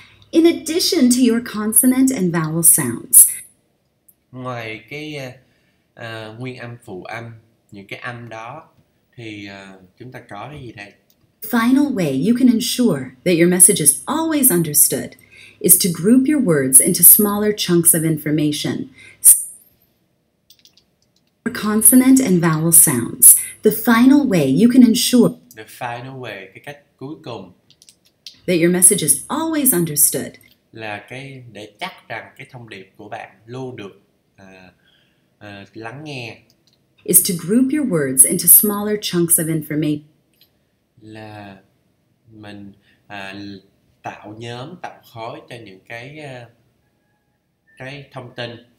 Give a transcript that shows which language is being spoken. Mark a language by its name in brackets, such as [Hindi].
[English] In addition to your consonant and vowel sounds. [Vietnamese] Ngoài cái nguyên âm phụ âm những cái âm đó thì chúng ta có cái gì đây? [English] Final way you can ensure that your message is always understood is to group your words into smaller chunks of information. For consonant and vowel sounds, the final way you can ensure the final way, [Vietnamese] cái cách cuối cùng [English] that your message is always understood [Vietnamese] là cái để chắc rằng cái thông điệp của bạn luôn được lắng nghe [English] is to group your words into smaller chunks of information [Vietnamese] là mình tạo nhóm, tạo khối cho những cái thông tin.